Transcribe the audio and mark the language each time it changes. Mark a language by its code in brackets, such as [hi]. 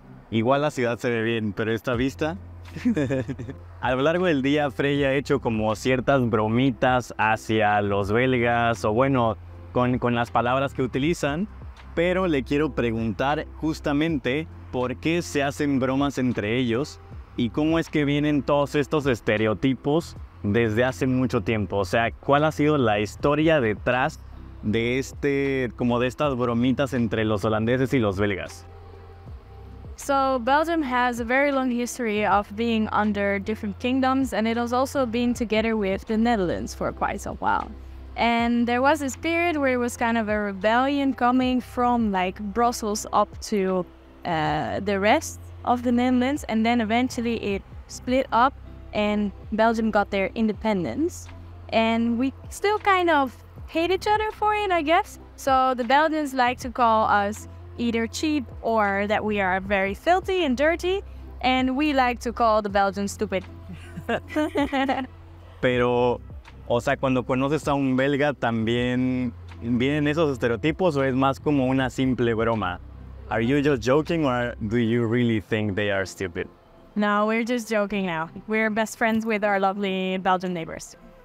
[es] Igual la ciudad se ve bien, pero esta vista... A lo largo del día, Frey ha hecho como ciertas bromitas hacia los belgas, o bueno, con las palabras que utilizan, pero le quiero preguntar justamente por qué se hacen bromas entre ellos y cómo es que vienen todos estos estereotipos desde hace mucho tiempo. O sea, ¿cuál ha sido la historia detrás de este, como de estas bromitas entre los holandeses y los belgas? [en] So Belgium has a very long history of being under different kingdoms, and it has also been together with the Netherlands for quite a while. And there was this period where it was kind of a rebellion coming from like Brussels up to the rest of the Netherlands, and then eventually it split up and Belgium got their independence. And we still kind of hate each other for it, I guess. So the Belgians like to call us either cheap or that we are very filthy and dirty, and we like to call the Belgians stupid. [es] Pero, o sea, cuando conoces a un belga, ¿también vienen esos estereotipos o es más como una simple broma? [en] Are you just joking or do you really think they are stupid? No, we're just joking now. We're best friends with our lovely Belgian neighbors.